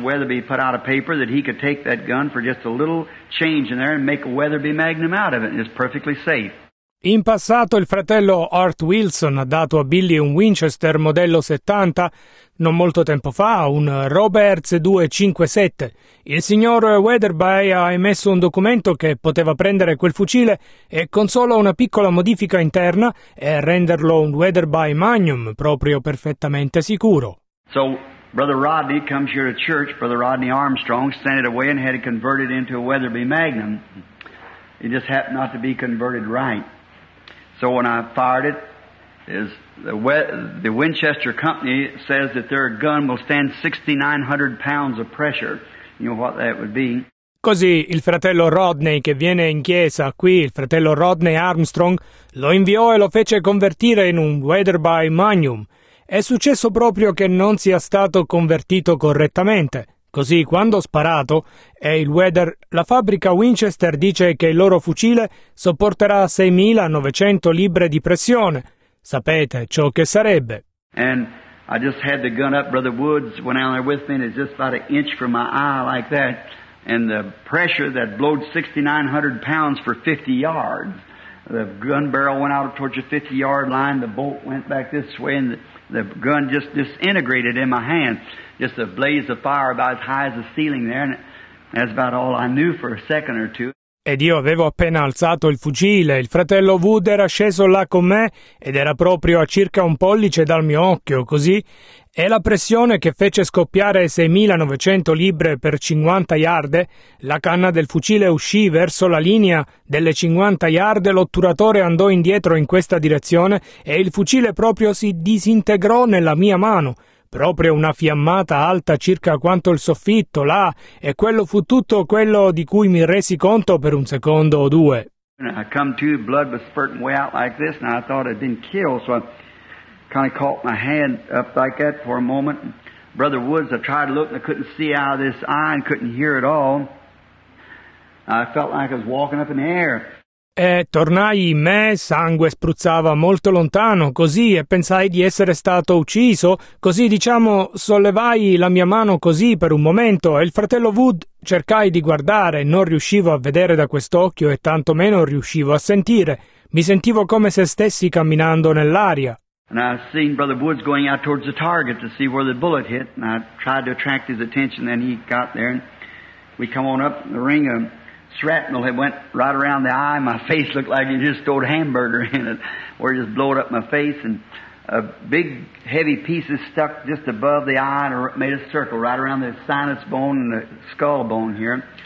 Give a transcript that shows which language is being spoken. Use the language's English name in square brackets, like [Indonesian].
[English] Weatherby put out a paper that he could take that gun for just a little change in there and make a Weatherby Magnum out of it, and it's perfectly safe. [Italian] In passato il fratello Art Wilson ha dato a Billy un Winchester modello 70, non molto tempo fa, un Roberts 257. Il signor Weatherby ha emesso un documento che poteva prendere quel fucile e con solo una piccola modifica interna e renderlo un Weatherby Magnum, proprio perfettamente sicuro. [English] So, Brother Rodney comes here to church, Brother Rodney Armstrong, sent it away and had it converted into a Weatherby Magnum. It just happened not to be converted right. So when I fired it, the Winchester company says that their gun will stand 6,900 pounds of pressure. You know what that would be? [Italian] Così il fratello Rodney, che viene in chiesa qui, il fratello Rodney Armstrong, lo inviò e lo fece convertire in un Weatherby Magnum. È successo proprio che non sia stato convertito correttamente. Così, quando ho sparato, e il Weather, la fabbrica Winchester dice che il loro fucile sopporterà 6.900 libbre di pressione. Sapete ciò che sarebbe. [English] And I just had the gun up, Brother Woods went out there with me, and it's just about an inch from my eye like that, and the pressure that blowed 6,900 pounds for 50 yards. The gun barrel went out towards the 50-yard line, the bolt went back this way, and the gun just disintegrated in my hand. Just a blaze of fire about as high as the ceiling there, and that's about all I knew for a second or two. [Italian] ed io avevo appena alzato il fucile. Il fratello Wood era sceso là con me ed era proprio a circa un pollice dal mio occhio, così. E la pressione che fece scoppiare 6.900 libbre per 50 yard, la canna del fucile uscì verso la linea delle 50 yard, l'otturatore andò indietro in questa direzione e il fucile proprio si disintegrò nella mia mano. Proprio una fiammata alta circa quanto il soffitto, là, e quello fu tutto quello di cui mi resi conto per un secondo o due. [English] I come to, blood was spurting way out like this, and I thought it didn't kill, so I kind of caught my hand up like that for a moment. Brother Woods, I tried to look, and I couldn't see out of this eye, and couldn't hear at all. I felt like I was walking up in the air. [Italian] E tornai in me, sangue spruzzava molto lontano, così, e pensai di essere stato ucciso, così, diciamo, sollevai la mia mano così per un momento, e il fratello Wood cercai di guardare, non riuscivo a vedere da quest'occhio e tantomeno riuscivo a sentire, mi sentivo come se stessi camminando nell'aria. [English] And I seen Brother Woods going out towards the target to see where the bullet hit, and I tried to attract his attention, and he got there, and we come on up the ring of... shrapnel had went right around the eye. My face looked like you just stored hamburger in it, or just blow it up my face. And a big, heavy piece is stuck just above the eye and made a circle right around the sinus bone and the skull bone here.